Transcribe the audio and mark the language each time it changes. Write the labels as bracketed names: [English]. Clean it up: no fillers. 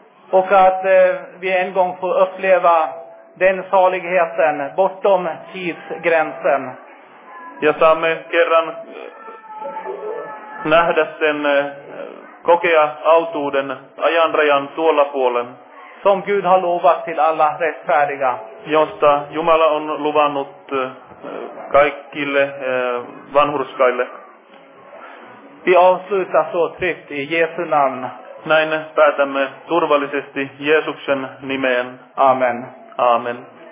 [Swedish] Och att vi en gång får uppleva den saligheten bortom tidsgränsen. [Finnish] Ja saamme kerran nähdä sen kokea autuuden ajanrajan tuolla puolen. [Swedish] Som Gud har lovat till alla rättfärdiga. [Finnish] Josta Jumala on luvannut kaikille vanhurskaille. [Swedish] Vi avslutar så tryggt i Jesu namn. [Finnish] Näin päätämme turvallisesti Jeesuksen nimeen. [Swedish] Amen. [Finnish] Amen.